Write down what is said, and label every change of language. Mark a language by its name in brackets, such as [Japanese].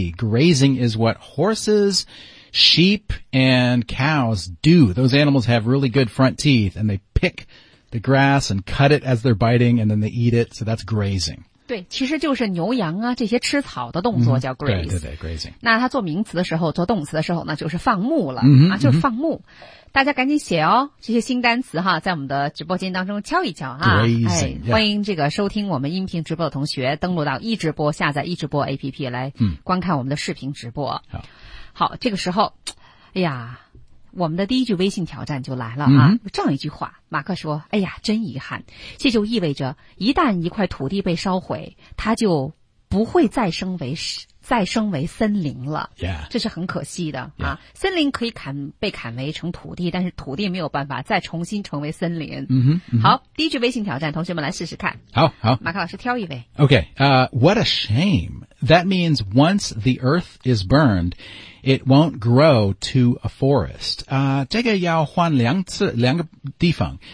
[English] Grazing is what horses, sheep, and cows do. Those animals have really good front teeth, and they pick the grass and cut it as they're biting, and then they eat it, so that's grazing. [Chinese] 对，其实就是牛羊啊这些吃草的动作叫 graze、嗯、对对对 grazing 那它做名词的时候做动词的时候呢就是放牧了、嗯、啊，就是放牧、嗯、大家赶紧写哦这些新单词哈，在我们的直播间当中敲一敲哈 [English] grazing、 [Chinese] 哎、欢迎这个收听我们音频直播的同学、登录到一直播下载一直播 APP 来观看我们的视频直播、嗯、好这个时候哎呀我们的第一句微信挑战就来了啊、嗯、这样一句话马克说哎呀真遗憾这就意味着一旦一块土地被烧毁它就不会再生为森林了、 [English] yeah. [Chinese] 这是很可惜的、 [English] yeah. [Chinese] 啊森林可以被砍为成土地但是土地没有办法再重新成为森林、嗯嗯、好第一句微信挑战同学们来试试看好好马克老师挑一位 [English] Okay, what a shame. That means once the earth is burned,It won't grow to a forest. [Chinese] 这个要换两次两个地方。